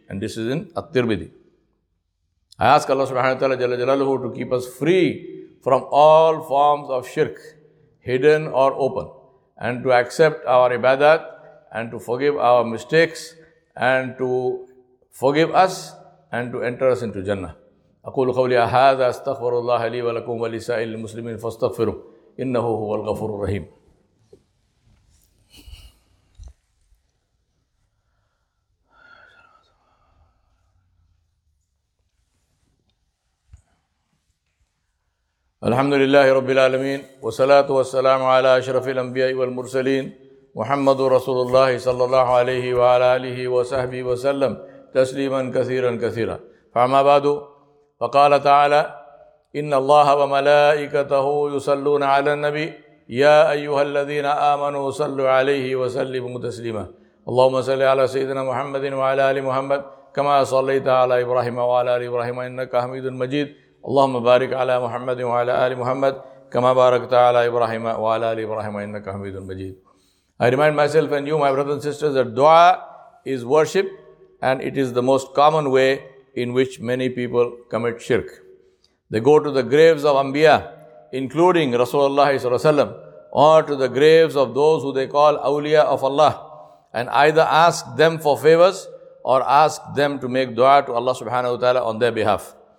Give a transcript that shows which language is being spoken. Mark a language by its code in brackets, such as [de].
[en] And this is in At-Tirmidhi. I ask Allah subhanahu wa ta'ala jalla jalaluhu to keep us free from all forms of shirk, hidden or open, and to accept our ibadat and to forgive our mistakes and to forgive us and to enter us into Jannah. [ar] أقول قولي هذا استغفر الله لي ولكم ولسائر المسلمين فاستغفروا إنه هو الغفور الرحيم. الحمد لله رب العالمين والصلاة والسلام على أشرف الأنبياء والمرسلين محمد رسول الله صلى الله عليه وعلى آله وصحبه وسلم تسليما كثيرا كثيرا فما بعد. فقال تعالى إن الله وملائكته يصلون على النبي يا أيها الذين آمنوا صلوا عليه وسلموا تسليما اللهم صل على سيدنا محمد وعلى آل محمد كما صليت على إبراهيم وعلى آل إبراهيم إنك حميد مجيد اللهم بارك على محمد وعلى آل محمد كما باركت على إبراهيم وعلى آل إبراهيم إنك حميد مجيد. [en] I remind myself and you, my brothers and sisters, that dua is worship and it is the most common way in which many people commit shirk. They go to the graves of Anbiya, including Rasulullah ﷺ, or to the graves of those who they call awliya of Allah, and either ask them for favors or ask them to make dua to Allah subhanahu wa ta'ala on their behalf.